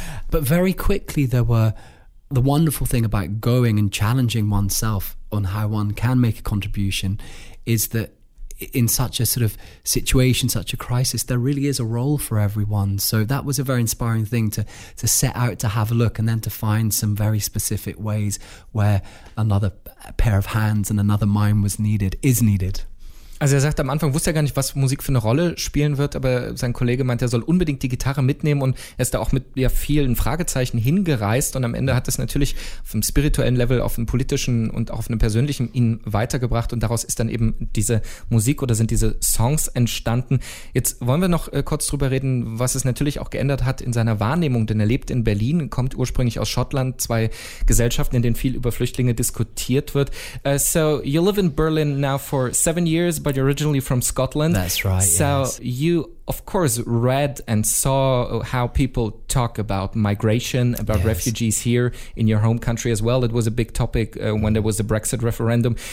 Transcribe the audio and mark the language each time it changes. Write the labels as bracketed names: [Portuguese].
[English] But very quickly, the wonderful thing about going and challenging oneself on how one can make a contribution is that in such a sort of situation, such a crisis, there really is a role for everyone. So that was a very inspiring thing to set out to have a look, and then to find some very specific ways where another pair of hands and another mind is needed. [German] Also er sagt, am Anfang wusste er gar nicht, was Musik für eine Rolle spielen wird, aber sein Kollege meint, er soll unbedingt die Gitarre mitnehmen, und er ist da auch mit vielen Fragezeichen hingereist, und am Ende hat es natürlich auf einem spirituellen Level, auf einem politischen und auch auf einem persönlichen ihn weitergebracht, und daraus ist dann eben diese Musik oder sind diese Songs entstanden. Jetzt wollen wir noch kurz drüber reden, was es natürlich auch geändert hat in seiner Wahrnehmung, denn er lebt in Berlin, kommt ursprünglich aus Schottland, zwei Gesellschaften, in denen viel über Flüchtlinge diskutiert wird. [English] So you live in Berlin now for 7 years, but you're originally from Scotland. That's right. So yes. You, of course, read and saw how people talk about migration, about yes. refugees here in your home country as well. It was a big topic when there was the Brexit referendum.